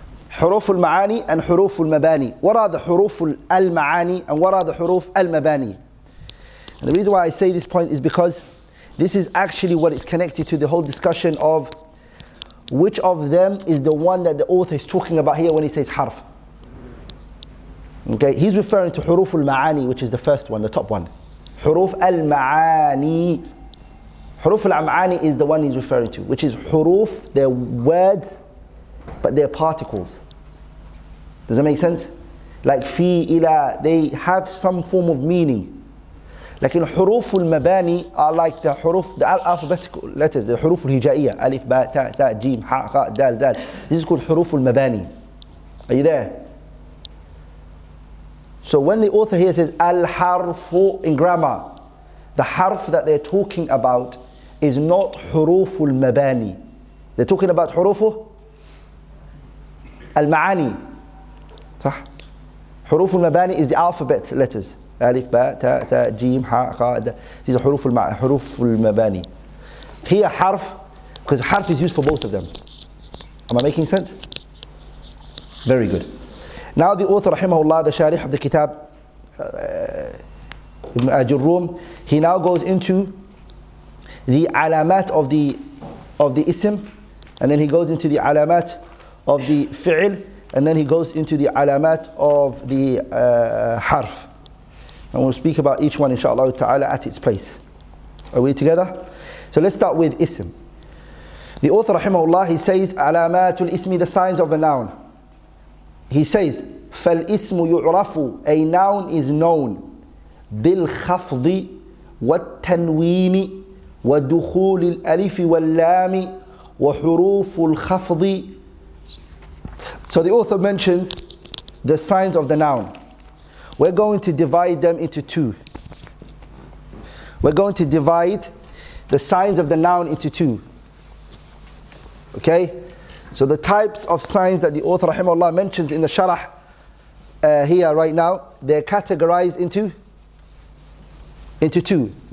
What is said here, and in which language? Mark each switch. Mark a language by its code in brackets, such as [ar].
[ar] حروف المعاني [en] and [ar] حروف المباني. [en] What are the [ar] حروف المعاني [en] and what are the [ar] حروف المباني? [en] And the reason why I say this point is because this is actually what is connected to the whole discussion of which of them is the one that the author is talking about here when he says حرف. Okay, he's referring to [ar] حروف المعاني, [en] which is the first one, the top one. [ar] حروف المعاني. حروف العمعاني [en] is the one he's referring to, which is حروف, they're words, but they're particles. Does that make sense? Like في, إلى, they have some form of meaning. [ar] لكن حروف المباني [en] are like the [ar] حروف, [en] the alphabetical letters, the [ar] حروف الهجائية, ألف, باء, تاء, تاء, جيم, حاء, خاء, دال, دال. [en] This is called [ar] حروف المباني. [en] Are you there? So when the author here says الحرف in grammar, the حرف that they're talking about is not [ar] حروف المباني. [en] They're talking about [ar] حروفه المعاني. صح. حروف المباني [en] is the alphabet letters. [ar] ألف باء تاء تاء جيم حاء خاء. [en] These are [ar] حروف حروف المباني. [en] Here حرف, because حرف is used for both of them. Am I making sense? Very good. Now the author [ar] رحمه الله, [en] the شارح of the [ar] كتاب ابن أجروم, [en] he now goes into the alamat of the ism, and then he goes into the alamat of the fi'l, and then he goes into the alamat of the harf. And we'll speak about each one, inshallah ta'ala, at its place. Are we together? So let's start with ism. The author, rahimahullah, he says, alamatul ismi, the signs of a noun. He says, [ar] fal ismu yu'rafu, [en] a noun is known, [ar] bil khafdi wa tanwini. ودخول الألف واللام وحروف الخفض. [en] So the author mentions the signs of the noun. We're going to divide them into two. We're going to divide the signs of the noun into two. Okay? So the types of signs that the author rahimahullah mentions in the sharah here right now, they're categorized into two.